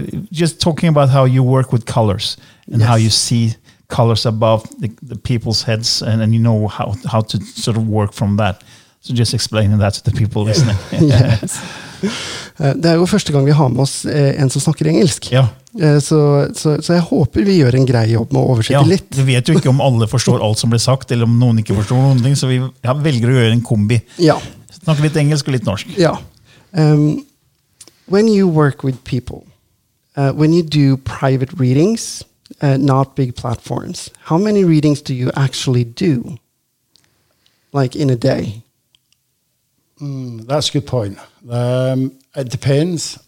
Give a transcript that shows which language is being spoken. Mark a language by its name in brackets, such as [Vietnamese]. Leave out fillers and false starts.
[English] Just talking about how you work with colors and yes. how you see colors above the people's heads and you know how to sort of work from that. So just explaining that to the people listening. [Norwegian] yes. Det jo første gang vi har med oss en som snakker engelsk. Ja. Så jeg håper vi gjør en grei jobb med å oversette ja, litt. Vi vet jo ikke om alle forstår alt som blir sagt, eller om noen ikke forstår noen ting, så vi velger å gjøre en kombi. Ja. Snakke litt engelsk og litt norsk. Ja. [English] When you work with people, when you do private readings, not big platforms, how many readings do you actually do, like in a day? That's a good point. It depends.